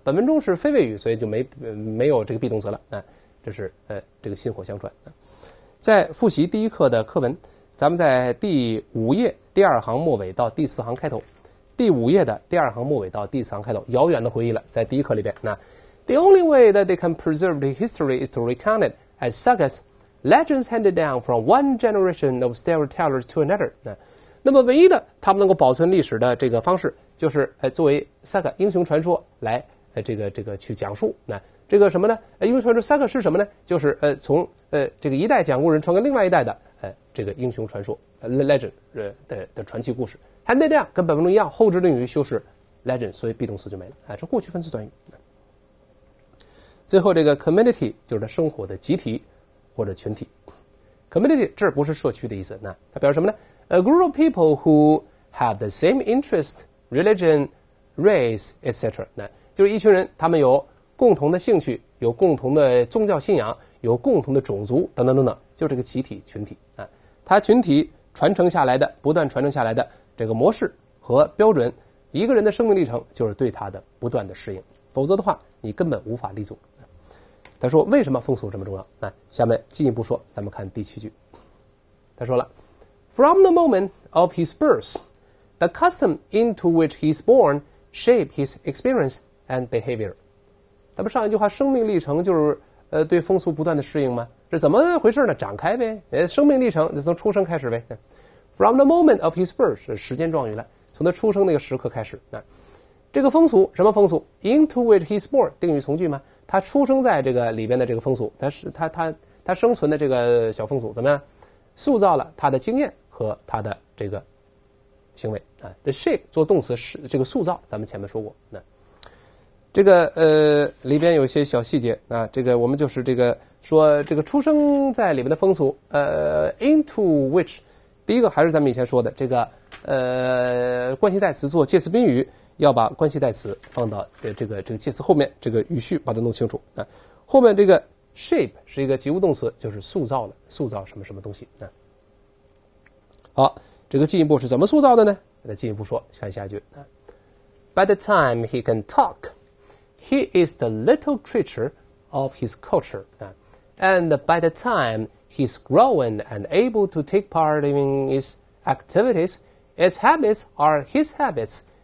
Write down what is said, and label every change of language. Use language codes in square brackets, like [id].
[zh] 本文中是非谓语，所以就没有这个 be 动词了。这是这个薪火相传。在复习第一课的课文。咱们在第五页第二行末尾到第四行开头，第五页的第二行末尾到第四行开头，遥远的回忆了，在第一课里边。 [en] 那 The only way that they can preserve the history is to recount it as sagas, legends handed down from one generation of storytellers to another。 [zh] 那么唯一的他们能够保存历史的这个方式，就是作为 saga 英雄传说来这个去讲述。那这个什么呢？英雄传说三个是什么呢？就是从这个一代讲故人传给另外一代的这个英雄传说 legend 的传奇故事。含定量跟本文中一样，后置定语修饰 legend， 所以 be 动词就没了。这过去分词短语。最后这个 community 就是他生活的集体或者群体。 [en] Community [zh] 这不是社区的意思，那它表示什么呢？ [en] A group of people who have the same interest, religion, race, etc. [zh] 那就是一群人，他们有共同的兴趣，有共同的宗教信仰，有共同的种族等等等等，就这个集体群体啊。它群体传承下来的，不断传承下来的这个模式和标准，一个人的生命历程就是对它的不断的适应，否则的话你根本无法立足。他说为什么风俗这么重要，下面进一步说，咱们看第七句。他说了 [en] From the moment of his birth, the custom into which he's born shape his experience and behavior. [zh] 咱们上一句话生命历程就是对风俗不断的适应吗？这怎么回事呢？展开呗，生命历程就从出生开始呗。 [en] From the moment of his birth [zh] 是时间状语了，从他出生那个时刻开始。这个风俗什么风俗 ？ [en] Into which he's born， [zh] 定语从句吗？他出生在这个里边的这个风俗，他生存的这个小风俗怎么样？塑造了他的经验和他的这个行为啊。这 shape 做动词是这个塑造，咱们前面说过。那这个里边有些小细节啊，这个我们就是这个说这个出生在里边的风俗，into which， 第一个还是咱们以前说的这个关系代词做介词宾语。要把关系代词放到这个介词后面，这个语序把它弄清楚啊。后面这个 shape 是一个及物动词，就是塑造了，塑造什么什么东西啊。好，这个进一步是怎么塑造的呢？再进一步说，看下一句啊。 [en] By the time he can talk, he is the little creature of his culture 啊。 And by the time he's grown and able to take part in his activities, his habits are his habits.